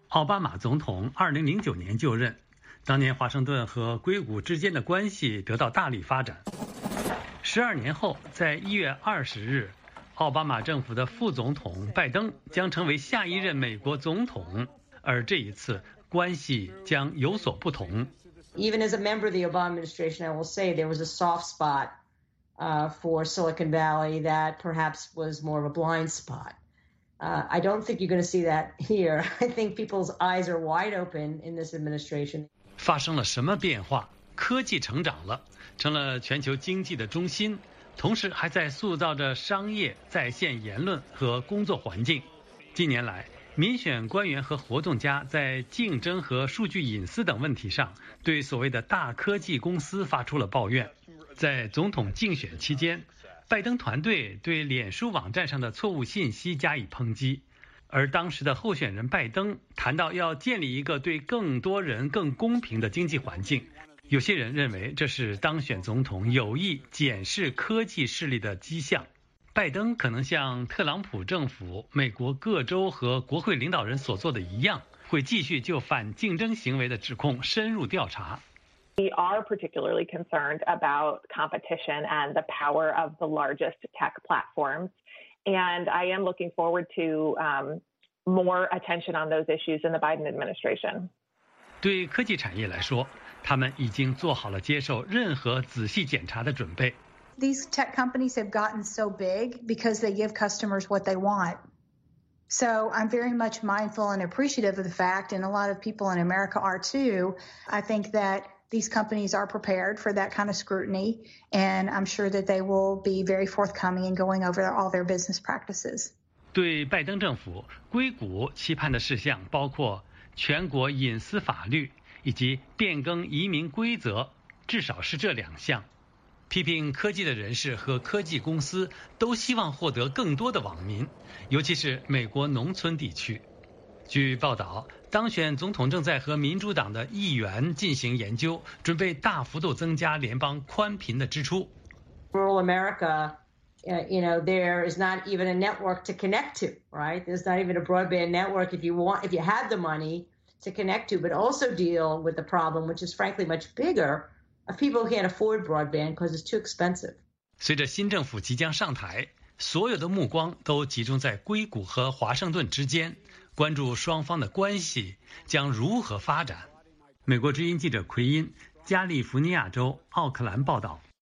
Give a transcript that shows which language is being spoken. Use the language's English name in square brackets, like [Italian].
[Chinese] 奥巴马总统2009年就任，当年华盛顿和硅谷之间的关系得到大力发展。 12年后，在1月20日。奥巴马政府的副总统拜登将成为下一任美国总统，而这一次关系将有所不同。 [English] Even as a member of the Obama administration, I will say there was a soft spot for Silicon Valley that perhaps was more of a blind spot. I don't think you're going to see that here. I think people's eyes are wide open in this administration. [Chinese] 发生了什么变化？科技成长了，成了全球经济的中心，同时还在塑造着商业、在线言论和工作环境。近年来，民选官员和活动家在竞争和数据隐私等问题上对所谓的大科技公司发出了抱怨。在总统竞选期间，拜登团队对脸书网站上的错误信息加以抨击，而当时的候选人拜登谈到要建立一个对更多人更公平的经济环境，有些人认为这是当选总统有意检视科技势力的迹象。拜登可能像特朗普政府、美国各州和国会领导人所做的一样，会继续就反竞争行为的指控深入调查。 [English] We are particularly concerned about competition and the power of the largest tech platforms. And I am looking forward to more attention on those issues in the Biden administration. [Chinese] 对科技产业来说，他们已经做好了接受任何仔细检查的准备。 [English] These tech companies have gotten so big because they give customers what they want. So I'm very much mindful and appreciative of the fact, and a lot of people in America are too, I think that these companies are prepared for that kind of scrutiny, and I'm sure that they will be very forthcoming in going over all their business practices. [Chinese] 对拜登政府，硅谷期盼的事项包括全国隐私法律以及变更移民规则，至少是这两项。批评科技的人士和科技公司都希望获得更多的网民，尤其是美国农村地区。据报道，当选总统正在和民主党的议员进行研究，准备大幅度增加联邦宽频的支出。 [English] Rural America, you know, there is not even a network to connect to, right? There's not even a broadband network if you had the money to connect to, but also deal with the problem, which is frankly much bigger, of people who can't afford broadband because it's too expensive. [Chinese] 随着新政府即将上台，所有的目光都集中在硅谷和华盛顿之间。关注双方的关系将如何发展。美国之音记者奎因，加利福尼亚州奥克兰报道。